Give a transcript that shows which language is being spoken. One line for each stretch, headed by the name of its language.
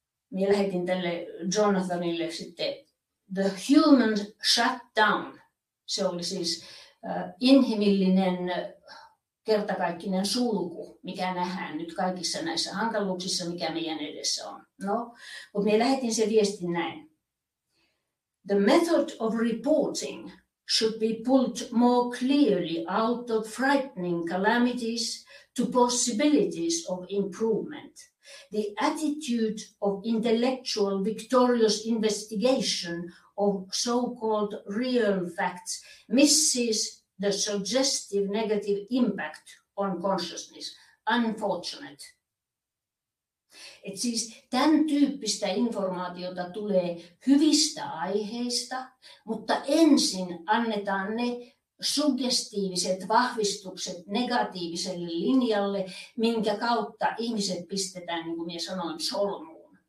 Finnish: Minä lähetin tälle Jonathanille sitten The Human Shutdown. Se oli siis inhimillinen kertakaikkinen sulku, mikä nähdään nyt kaikissa näissä hankaluuksissa, mikä meidän edessä on. No, mutta minä lähetin sen viestin näin.
English: The method of reporting should be pulled more clearly out of frightening calamities to possibilities of improvement. The attitude of intellectual victorious investigation of so-called real facts misses the suggestive negative impact on consciousness. Unfortunate.
Finnish: Et siis tämän tyyppistä informaatiota tulee hyvistä aiheista, mutta ensin annetaan ne suggestiiviset vahvistukset negatiiviselle linjalle, minkä kautta ihmiset pistetään, niin kuin minä sanoin, solmuun.